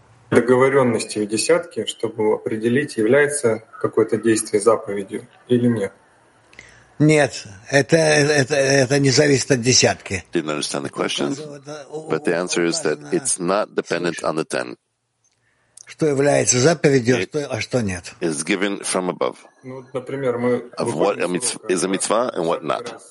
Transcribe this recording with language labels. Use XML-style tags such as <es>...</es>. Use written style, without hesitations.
<ru>Договоренности в десятке, чтобы определить, является какое-то действие заповедью или нет. Нет, это не зависит от десятки.</ru> <en>Didn't understand the question, but the answer is that it's not dependent on the ten.</en> <ru>Что является заповедью, а что нет.</ru> <en>Is given from above.</en> <ru>Ну, например, мы</ru> <en>of what a mitzvah, is a mitzvah and what not.</en>